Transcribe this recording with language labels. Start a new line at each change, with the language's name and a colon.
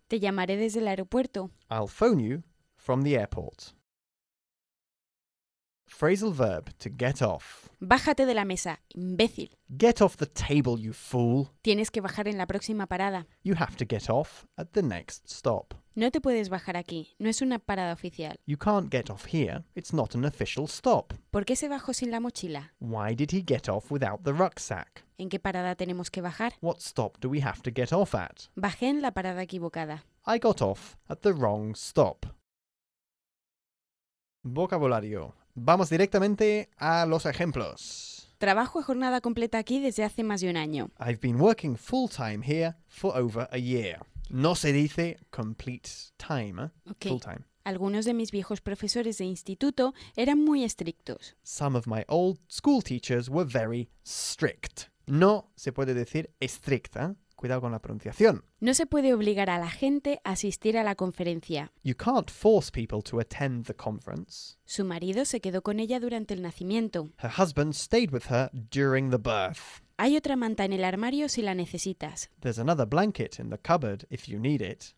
Spanish: Te llamaré desde el aeropuerto.
English: I'll phone you from the airport. Phrasal verb to get off.
Spanish: Bájate de la mesa, imbécil.
English: Get off the table, you fool.
Spanish: Tienes que bajar en la próxima parada.
English: You have to get off at the next stop.
Spanish: No te puedes bajar aquí, no es una parada oficial.
English: You can't get off here, it's not an official stop.
Spanish: ¿Por qué se bajó sin la mochila?
English: Why did he get off without the rucksack?
Spanish: ¿En qué parada tenemos que bajar?
English: What stop do we have to get off at?
Spanish: Bajé en la parada equivocada.
English: I got off at the wrong stop.
Spanish: Vocabulario. Vamos directamente a los ejemplos. Trabajo a jornada completa aquí desde hace más de un año.
English: I've been working full time here for over a year.
Spanish: No se dice
English: complete time,
Spanish: ¿eh? Okay.
English: Full time.
Spanish: Algunos de mis viejos profesores de instituto eran muy estrictos.
English: Some of my old school teachers were very strict.
Spanish: No se puede decir estricta. Cuidado con la pronunciación. No se puede obligar a la gente a asistir a la conferencia.
English: You can't force people to attend the conference.
Spanish: Su marido se quedó con ella durante el nacimiento.
English: Her husband stayed with her during the birth.
Spanish: Hay otra manta en el armario si la necesitas.
English: There's another blanket in the cupboard if you need it.